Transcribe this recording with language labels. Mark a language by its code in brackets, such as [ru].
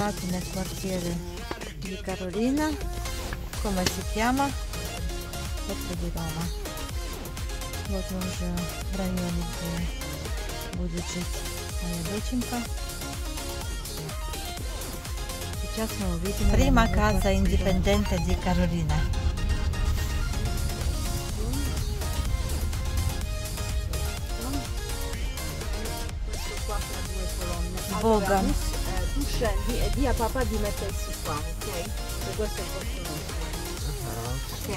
[it] Nel quartiere di Carolina, come si chiama? Sotto di Roma. [ru] Вот он же в районе, где будет жить моя доченька. Сейчас мы увидим [it] prima casa indipendente di Carolina. Boga. Tu scendi e di a papà di mettersi qua, ok? Se questo è il posto nostro.